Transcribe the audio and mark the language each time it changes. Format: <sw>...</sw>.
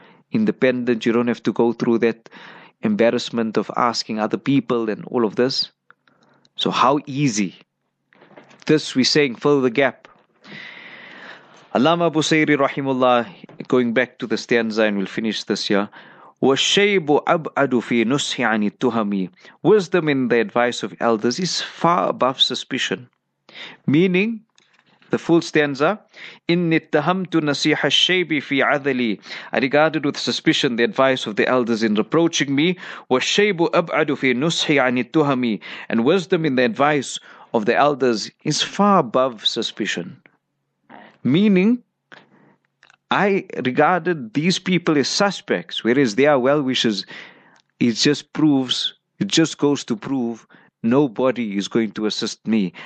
<en>Independent, you don't have to go through that embarrassment of asking other people and all of this. So how easy. This we're saying, fill the gap. Allama Abu Sayri Rahimullah, going back to the stanza, and we'll finish this here.</en> <ar>وَالشَّيْبُ أَبْعَدُ فِي نُسْحِ عَنِ التُّهَمِ.</ar> <en>Wisdom in the advice of elders is far above suspicion. Meaning, the full stanza,</en> <ar>إِنِّ اتَّهَمْتُ نَصِيحَ الشَّيْبِ فِي عَذَلِي.</ar> <en>I regarded with suspicion the advice of the elders in reproaching me.</en> <ar>وَالشَّيْبُ أَبْعَدُ فِي نُسْحِ عَنِ التُّهَمِ.</ar> <en>And wisdom in the advice of the elders is far above suspicion. Meaning, I regarded these people as suspects, whereas they are well wishers. It just goes to prove nobody is going to assist me.</en>